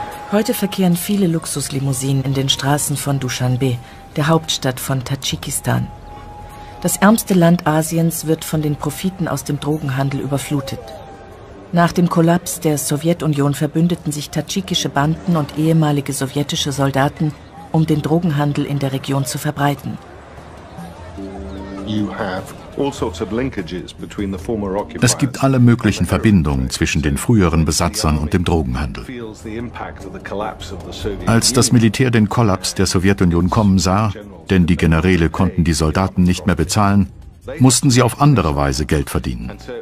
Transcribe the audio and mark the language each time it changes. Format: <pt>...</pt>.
<de>Heute verkehren viele Luxuslimousinen in den Straßen von Dushanbe, der Hauptstadt von Tadschikistan. Das ärmste Land Asiens wird von den Profiten aus dem Drogenhandel überflutet. Nach dem Kollaps der Sowjetunion verbündeten sich tadschikische Banden und ehemalige sowjetische Soldaten, um den Drogenhandel in der Region zu verbreiten.</de> <en>You have all sorts of linkages between the former occupiers.</en> <de>Es gibt alle möglichen Verbindungen zwischen den früheren Besatzern und dem Drogenhandel. Als das Militär den Kollaps der Sowjetunion kommen sah, denn die Generäle konnten die Soldaten nicht mehr bezahlen, mussten sie auf andere Weise Geld verdienen.</de>